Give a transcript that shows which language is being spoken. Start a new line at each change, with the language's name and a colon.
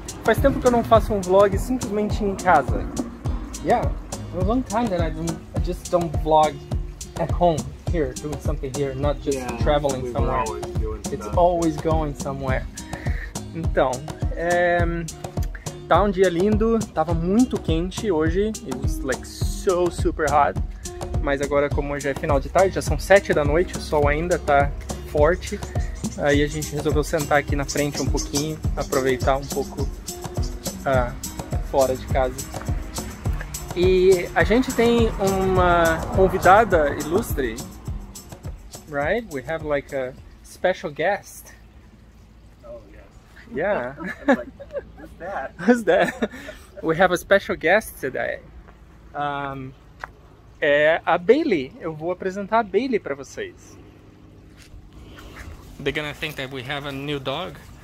Portuguese: Faz tempo que eu não faço um vlog simplesmente em casa.
English: Yeah, a long time that I just don't vlog at home here, doing something here, not just traveling somewhere. It's always going somewhere.
Portuguese: Então, tá um dia lindo, tava muito quente hoje.
English: It was like so super hot.
Portuguese: Mas agora, como já é final de tarde, já são 7 da noite, o sol ainda tá forte. Aí a gente resolveu sentar aqui na frente um pouquinho, aproveitar um pouco fora de casa. E a gente tem uma convidada ilustre, right?
English: We have like a special guest. Oh, yes. Yeah. Yeah. Who's that? We have a special guest today.
Portuguese: É a Bailey. Eu vou apresentar a Bailey para vocês.
English: They're gonna think that we have a new dog.